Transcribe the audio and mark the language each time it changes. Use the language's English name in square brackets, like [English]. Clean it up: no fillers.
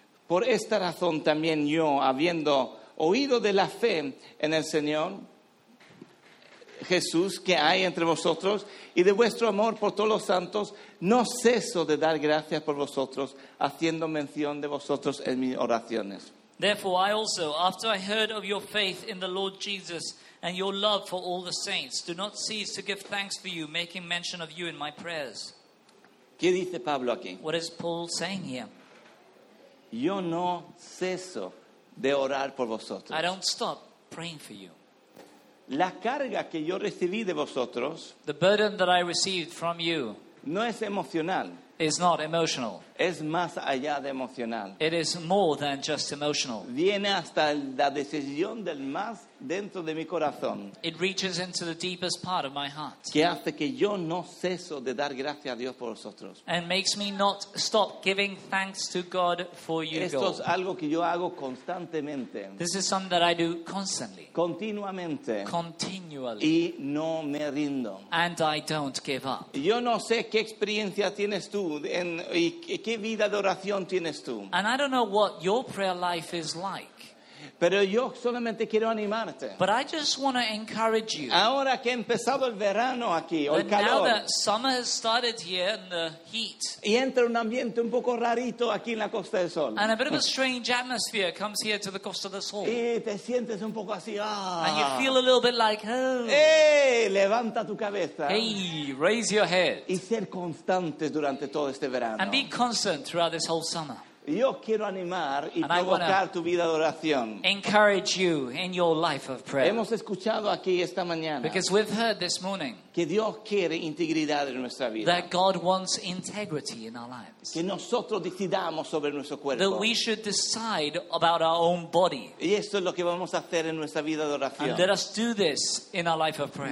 [Spanish] Por esta razón también yo, habiendo oído de la fe en el Señor Jesús que hay entre vosotros y de vuestro amor por todos los santos, no ceso de dar gracias por vosotros, haciendo mención de vosotros en mis oraciones. [English] Therefore I also, after I heard of your faith in the Lord Jesus and your love for all the saints, do not cease to give thanks for you, making mention of you in my prayers. [Spanish] ¿Qué dice Pablo aquí? [English] What is Paul saying here? [Spanish] Yo no ceso de orar por vosotros. [English] I don't stop praying for you. [Spanish] La carga que yo recibí de vosotros, [English] the burden that I received from you, [Spanish] no es emocional. [English] Is not emotional. [Spanish] Es más allá de emocional. [English] It is more than just emotional. [Spanish] Viene hasta la decisión del más dentro de mi corazón. [English] It reaches into the deepest part of my heart. [Spanish] Que hace que yo no ceso de dar gracias a Dios por vosotros. [English] And makes me not stop giving thanks to God for you. [Spanish] Esto es algo que yo hago constantemente. [English] This is something that I do constantly. [Spanish] Continuamente. [English] Continually. [Spanish] Y no me rindo. [English] And I don't give up. [Spanish] Yo no sé qué experiencia tienes tú en y ¿qué vida de oración tienes tú? [English] And I don't know what your prayer life is like. [Spanish] Pero yo solamente quiero animarte. [English] But I just want to encourage you. [Spanish] Ahora que ha empezado el verano aquí, o el calor. [English] Now that summer has started here and the heat. [Spanish] Y entra un ambiente un poco rarito aquí en la Costa del Sol. [English] And a bit of a strange atmosphere comes here to the Costa del Sol. [Spanish] Y te sientes un poco así, ah. [English] And you feel a little bit like, oh. [Spanish] Hey, levanta tu cabeza. [English] Hey, raise your head. [Spanish] Y ser constantes durante todo este verano. [English] And be constant throughout this whole summer. [Spanish] Yo quiero animar y [English] and [Spanish] provocar tu vida de oración. [English] Encourage you in your life of prayer. [Spanish] Hemos escuchado aquí esta mañana. [English] Because we've heard this morning. [Spanish] Que Dios quiere integridad en nuestra vida. [English] That God wants integrity in our lives. [Spanish] Que nosotros decidamos sobre nuestro cuerpo. [English] That we should decide about our own body. [Spanish] Y esto es lo que vamos a hacer en nuestra vida de oración. [English] And let us do this in our life of prayer.